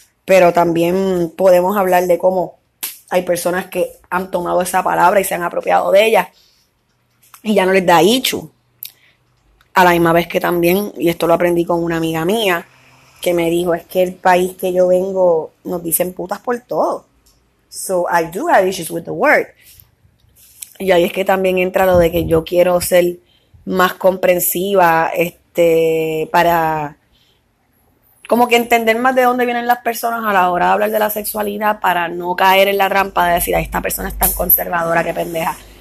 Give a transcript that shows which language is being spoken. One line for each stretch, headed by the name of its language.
Spanish: Pero también podemos hablar de cómo hay personas que han tomado esa palabra y se han apropiado de ella y ya no les da ichu. A la misma vez que también, y esto lo aprendí con una amiga mía, que me dijo, es que el país que yo vengo nos dicen putas por todo.
English: So I do have issues with the word.
Spanish: Y ahí es que también entra lo de que yo quiero ser más comprensiva, para como que entender más de dónde vienen las personas a la hora de hablar de la sexualidad, para no caer en la trampa de decir, ay, esta persona es tan conservadora, qué pendeja.